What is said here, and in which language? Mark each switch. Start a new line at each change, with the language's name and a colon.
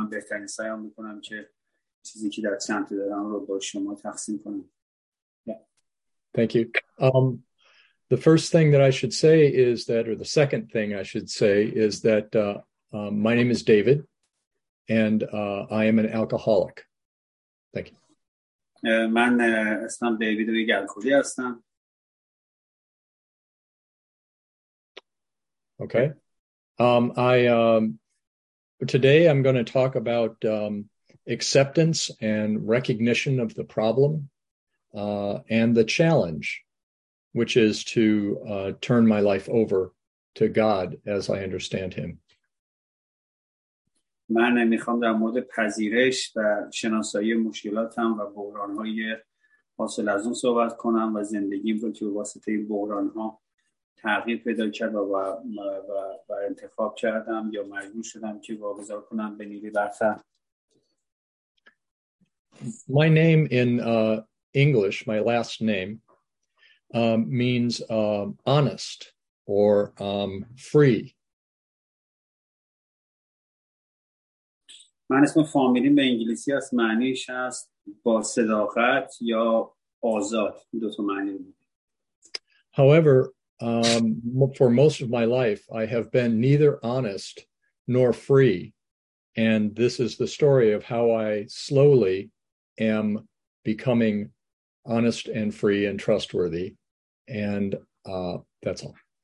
Persian: من بهترین سعی می کنم که چیزی که در سمت دارم رو با شما تقسیم کنم.
English: Thank you. The first thing that I should say is that, or the second thing I should say is that my name is David and I am an alcoholic. Thank you.
Persian: من اسمم دیوید و یک الکلی هستم.
English: Okay. Today I'm going to talk about acceptance and recognition of the problem and the challenge, which is to turn my life over to God as I understand him.
Persian: من میخوام در مورد پذیرش و شناسایی مشکلاتم و بحران‌های حاصل از اون صحبت کنم و زندگیم رو که واسطه این بحران‌ها تغییر پیدا کرد و انتخاب کردم یا مجبور شدم که واگذار کنم به نیروی برتر.
English: My name in English, my last name, means honest or free.
Persian: من اسم فامیلی به انگلیسی است معنیش است با صداقت یا آزاد دو تا معنی.
English: However, for most of my life, I have been neither honest nor free, and this is the story of how I slowly am becoming honest and free and trustworthy, and that's all.